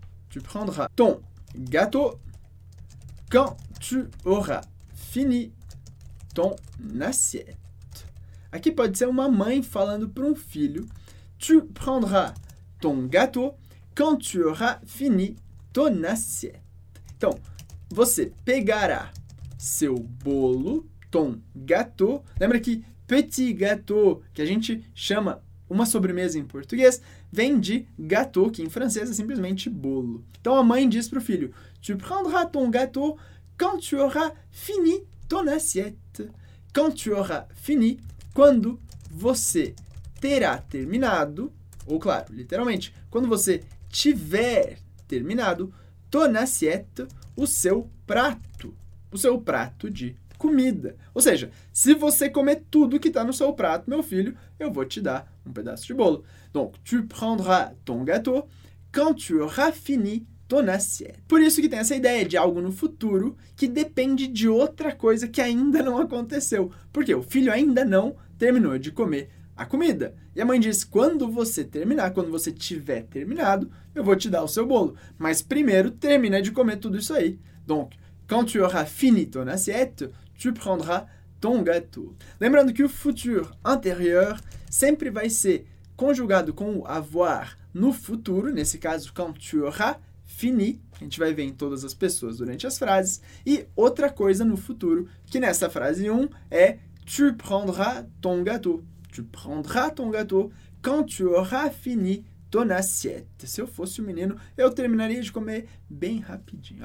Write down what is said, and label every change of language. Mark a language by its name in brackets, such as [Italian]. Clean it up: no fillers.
[French] Tu prendras ton gâteau quand tu auras fini ton assiette. [Portuguese] Aqui pode ser uma mãe falando para um filho. [French] Tu prendras ton gâteau quand tu auras fini ton assiette. [Portuguese] Então, você pegará seu bolo. [French] Ton gâteau. [Portuguese] Lembra que petit gâteau, que a gente chama uma sobremesa em português, vem de gâteau, que em francês é simplesmente bolo. Então a mãe diz para o filho: [French] Tu prendras ton gâteau quand tu auras fini ton assiette. Quand tu auras fini, [Portuguese] quando você terá terminado, ou claro, literalmente, quando você tiver terminado [French] ton assiette, [Portuguese] o seu prato de comida. Ou seja, se você comer tudo que está no seu prato, meu filho, eu vou te dar um pedaço de bolo. [French] Donc, tu prendras ton gâteau quand tu auras fini ton assiette. [Portuguese] Por isso que tem essa ideia de algo no futuro que depende de outra coisa que ainda não aconteceu. Porque o filho ainda não terminou de comer a comida. E a mãe diz: quando você terminar, quando você tiver terminado, eu vou te dar o seu bolo. Mas primeiro termina de comer tudo isso aí. [French] Donc, quand tu auras fini ton assiette, tu prendras ton gâteau. [Portuguese] Lembrando que o futur antérieur sempre vai ser conjugado com o avoir no futuro, nesse caso, [French] quand tu auras fini, [Portuguese] a gente vai ver em todas as pessoas durante as frases, e outra coisa no futuro, que nessa frase 1 é [French] tu prendras ton gâteau. Tu prendras ton gâteau quand tu auras fini ton assiette. [Portuguese] Se eu fosse um menino, eu terminaria de comer bem rapidinho.